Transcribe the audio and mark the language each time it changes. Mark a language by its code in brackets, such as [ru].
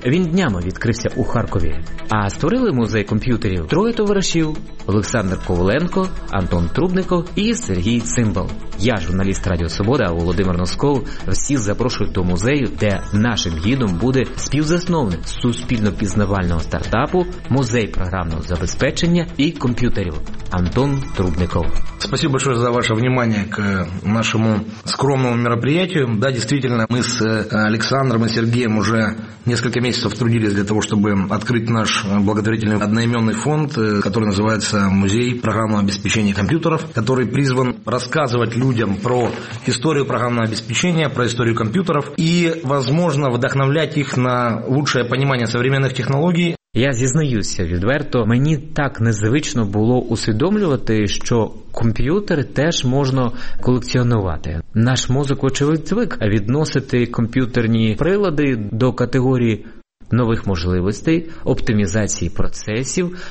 [uk] Він днями відкрився у Харкові. А створили музей комп'ютерів троє товаришів – Олександр Коваленко, Антон Трубников і Сергій Цимбал. Я, журналіст Радіо Свобода Володимир Носков, всіх запрошую до музею, де нашим гідом буде співзасновник суспільно-пізнавального стартапу «Музей програмного забезпечення і комп'ютерів» Антон Трубников. [ru] Спасибо большое за ваше внимание к нашему скромному мероприятию. Да, действительно, мы с Александром и Сергеем уже несколько месяцев трудились для того, чтобы открыть наш благотворительный одноименный фонд, который называется «Музей программного обеспечения компьютеров», который призван рассказывать людям про историю программного обеспечения, про историю компьютеров и, возможно, вдохновлять их на лучшее понимание современных технологий. [uk] Я зізнаюся відверто, мені так незвично було усвідомлювати, що комп'ютери теж можна колекціонувати. Наш мозок, очевидь, звик відносити комп'ютерні прилади до категорії нових можливостей, оптимізації процесів.